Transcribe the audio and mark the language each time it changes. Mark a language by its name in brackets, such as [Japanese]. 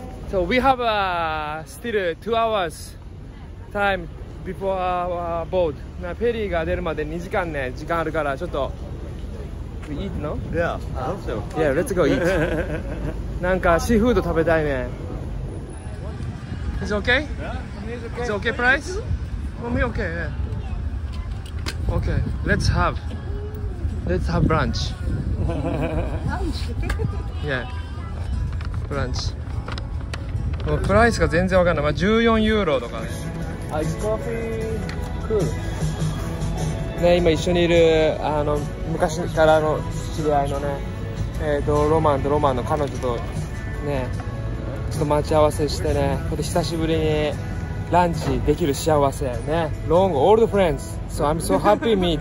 [English] So we have still 2 hours time before our boat. [Japanese] Now, ferry が出るまで2時間ね、時間あるからちょっと [English] we eat, no? Yeah, I hope so. Yeah, let's go eat. [Japanese] なんかシーフード食べたいね。 [English] It's okay? Yeah, it's okay price? For me, okay, yeah. Okay, let's have brunch. Brunch? Yeah, brunch. [Japanese] もうプライスが全然わかんない。まあ、14ユーロとかね。 [English] Ice coffee? [Japanese] Cool. ね、今一緒にいる、あの、昔からの知り合いのね、ロマンの彼女とね、ちょっと待ち合わせしてね、これ久しぶりにランチできる幸せね。 [English] Long old friends, so I'm so happy meet.